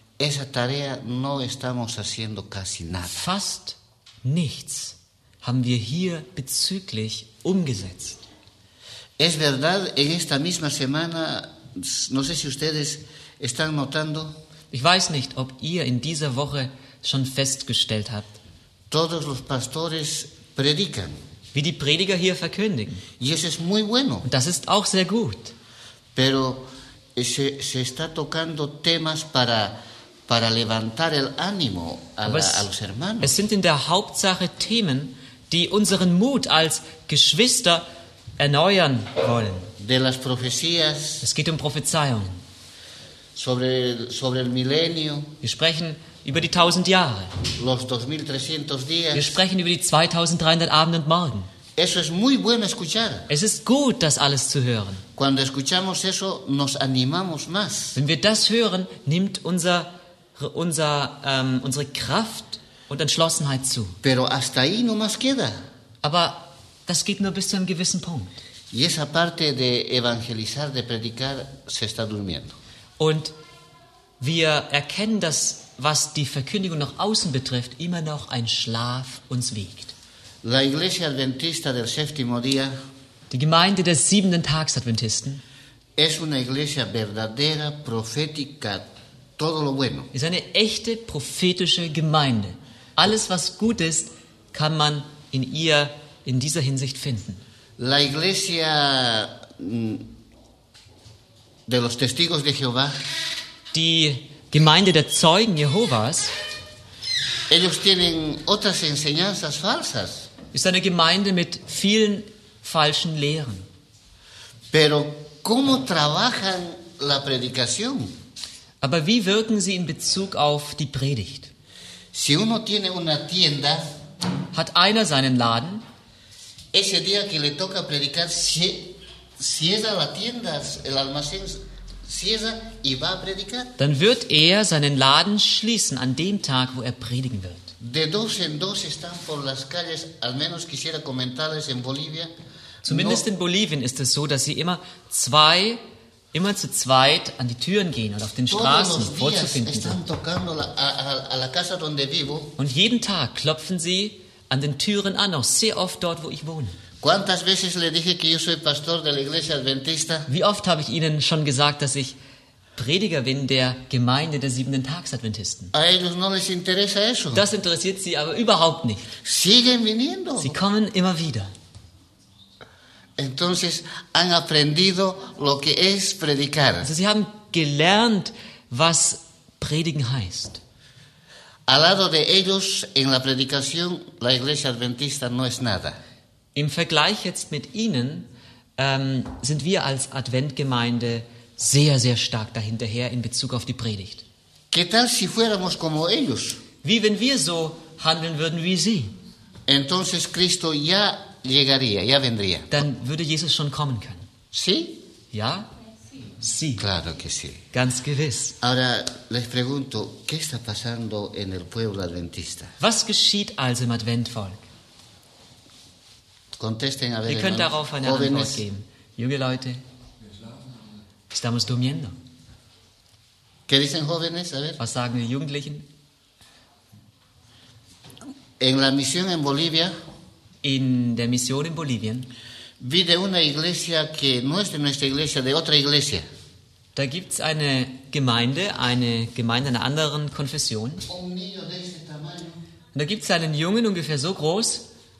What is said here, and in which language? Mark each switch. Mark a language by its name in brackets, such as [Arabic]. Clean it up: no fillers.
[Spanish] esa tarea no estamos haciendo casi nada. [German] Fast nichts haben wir hier bezüglich umgesetzt. [Spanish] Es verdad, en esta misma semana, no sé si ustedes están notando. [German] Ich weiß nicht, ob ihr in dieser Woche schon festgestellt habt. [Spanish] Todos los pastores predican. [German] Wie die Prediger hier verkündigen. [Spanish] Y eso es muy bueno. [German] Und das ist auch sehr gut. [Spanish] Pero se está tocando temas para levantar el ánimo a los hermanos. [German] Es sind in der Hauptsache Themen, die unseren Mut als Geschwister erneuern wollen. [Spanish] De las profecías. [German] Es geht um Prophezeiungen. [Spanish] Sobre el milenio. [German] Wir sprechen über die 1000 Jahre. [Spanish] Los 2300 días. [German] Wir sprechen über die 2300 Abende und Morgen. [Spanish] Eso es muy bueno escuchar. [German] Es ist gut, das alles zu hören. [Spanish] Cuando escuchamos eso, nos animamos más. [German] Wenn wir das hören, nimmt unsere Kraft und Entschlossenheit zu. [Spanish] Pero hasta ahí no más queda. [German] Aber das geht nur bis zu einem gewissen Punkt. [Spanish] Y esa parte de evangelizar, de predicar, se está durmiendo. [German] Und wir erkennen, dass, was die Verkündigung nach außen betrifft, immer noch ein Schlaf uns wiegt. [Spanish] La Iglesia Adventista del Séptimo Día, [German] die Gemeinde des siebenten Tags Adventisten, [Spanish] es una iglesia verdadera, profética, todo lo bueno. [German] Ist eine echte prophetische Gemeinde. Alles, was gut ist, kann man in ihr in dieser Hinsicht finden. [Spanish] La Iglesia de los Testigos de Jehová, [German] die Gemeinde der Zeugen Jehovas, [Spanish] ellos tienen otras enseñanzas falsas. [German] Ist eine Gemeinde mit vielen falschen Lehren. [Spanish] Pero ¿cómo trabajan la predicación? [German] Aber wie wirken sie in Bezug auf die Predigt? [Spanish] Si uno tiene una tienda, [German] hat einer seinen Laden, [Spanish] ese día que le toca predicar, cierra la tienda, el almacén, cierra y va a predicar. [German] Dann wird er seinen Laden schließen an dem Tag, wo er predigen wird. [Spanish] De dos en dos están por las calles, al menos quisiera comentarles en Bolivia. [German] Zumindest no, in Bolivien ist es so, dass sie immer zu zweit an die Türen gehen oder auf den Straßen vorzufinden sind. [Spanish] La casa donde vivo. [German] Und jeden Tag klopfen sie an den Türen an, auch sehr oft dort, wo ich wohne. [Spanish] ¿Cuántas veces le dije que yo soy pastor de la iglesia adventista? [German] Wie oft habe ich Ihnen schon gesagt, dass ich Prediger bin der Gemeinde der siebenten Tags Adventisten? [Spanish] A ellos no les interesa eso. [German] Das interessiert sie aber überhaupt nicht. [Spanish] Siguen viniendo. [German] Sie kommen immer wieder. [Spanish] Entonces han aprendido lo que es predicar. [German] Also sie haben gelernt, was Predigen heißt. [Spanish] Al lado de ellos en la predicación, la iglesia adventista no es nada. [German] Im Vergleich jetzt mit ihnen sind wir als Adventgemeinde sehr, sehr stark dahinterher in Bezug auf die Predigt. [Spanish] ¿Qué tal si fuéramos como ellos? [German] Wie wenn wir so handeln würden wie sie? [Spanish] Entonces Cristo ya llegaría, ya vendría. [German] Dann würde Jesus schon kommen können. [Spanish] Sí? [German] Ja? [Spanish] Sí. Claro que sí. [German] Ganz gewiss. [Spanish] Ahora les pregunto, ¿qué está pasando en el pueblo adventista? [German] Was geschieht also im Adventvolk? [Spanish] Contesten, a ver, [German] ihr könnt darauf eine Antwort geben. Junge Leute, [Spanish] estamos durmiendo. ¿Qué dicen jóvenes? A ver. [German] Was sagen die Jugendlichen? [Spanish] En la misión en Bolivia. [German] In der Mission in Bolivien. [Spanish] Vi de una iglesia que no es de nuestra iglesia, de otra iglesia. [German] Da gibt es eine Gemeinde einer anderen Konfession. [Spanish] Un niño de ese tamaño. [German] Da gibt es einen Jungen ungefähr so groß,